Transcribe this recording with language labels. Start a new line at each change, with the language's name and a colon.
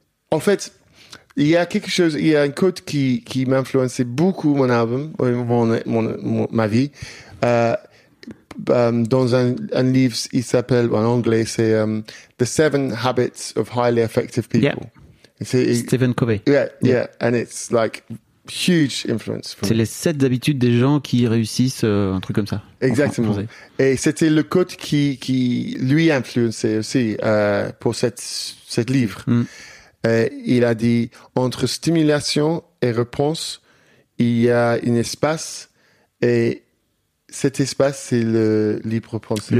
French: En fait, il y a quelque chose, il y a une quote qui m'a influencé beaucoup mon album, ma vie, dans un livre, il s'appelle, en anglais, c'est The Seven Habits of Highly Effective People.
English: Yeah. Stephen Covey. Yeah, and it's like huge influence.
French: C'est les sept habitudes des gens qui réussissent, un truc comme ça. Exactement. Et c'était le quote qui lui influençait aussi pour cette livre. Mm. Et il a dit, entre stimulation et réponse, il y a un espace, et cet espace, c'est le libre pensée.